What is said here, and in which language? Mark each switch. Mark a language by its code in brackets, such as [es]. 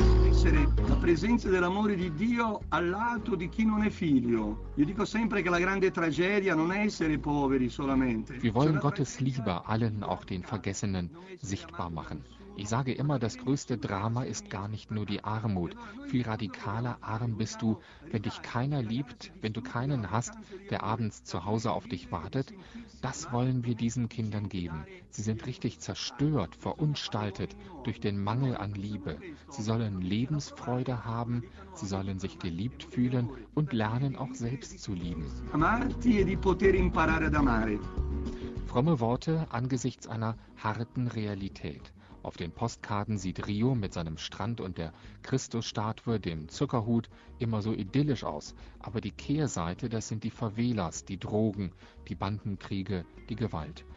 [it] Essere la presenza dell'amore di Dio al lato di chi non è figlio. Io dico sempre che la grande tragedia non è essere poveri solamente. [de] Wir wollen Gottes Liebe allen, auch den Vergessenen, sichtbar machen. Ich sage immer, das größte Drama ist gar nicht nur die Armut. Viel radikaler arm bist du, wenn dich keiner liebt, wenn du keinen hast, der abends zu Hause auf dich wartet. Das wollen wir diesen Kindern geben. Sie sind richtig zerstört, verunstaltet durch den Mangel an Liebe. Sie sollen Lebensfreude haben, sie sollen sich geliebt fühlen und lernen auch selbst zu lieben. [it] Amarti e di poter imparare ad amare. [de] Fromme Worte angesichts einer harten Realität. Auf den Postkarten sieht Rio mit seinem Strand und der Christusstatue, dem Zuckerhut, immer so idyllisch aus. Aber die Kehrseite, das sind die Favelas, die Drogen, die Bandenkriege, die Gewalt.